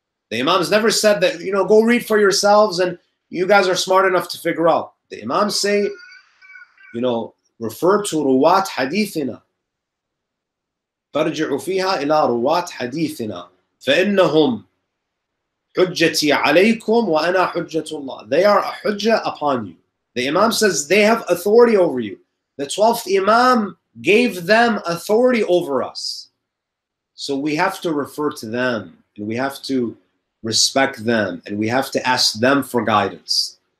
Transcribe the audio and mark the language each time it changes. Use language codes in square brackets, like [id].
[en] The imams never said that, you know, go read for yourselves and you guys are smart enough to figure out. The imams say, you know, refer to ruwat hadithina. [ar] فارجعوا فيها إلى رواة حديثنا فإنهم حجتي عليكم وأنا حجة الله. [en] They are a hujjah upon you. The Imam says they have authority over you. The 12th Imam gave them authority over us. So we have to refer to them, and we have to respect them, and we have to ask them for guidance.